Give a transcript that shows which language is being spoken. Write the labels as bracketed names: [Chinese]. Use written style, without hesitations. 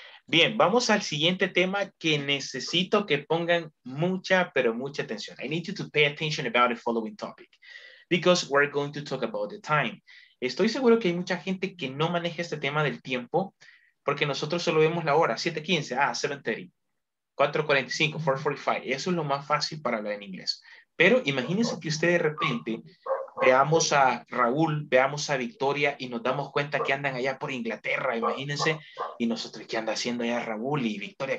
[Spanish] Bien, vamos al siguiente tema que necesito que pongan mucha, pero mucha atención. [English] I need you to pay attention about the following topic because we're going to talk about the time. [Spanish] Estoy seguro que hay mucha gente que no maneja este tema del tiempo porque nosotros solo vemos la hora, 7:15, 7:30, 4:45, 4:45. Eso es lo más fácil para hablar en inglés. Pero imagínense que usted de repente veamos a Raúl, veamos a Victoria y nos damos cuenta que andan allá por Inglaterra, imagínense, y nosotros, ¿qué anda haciendo allá Raúl y Victoria?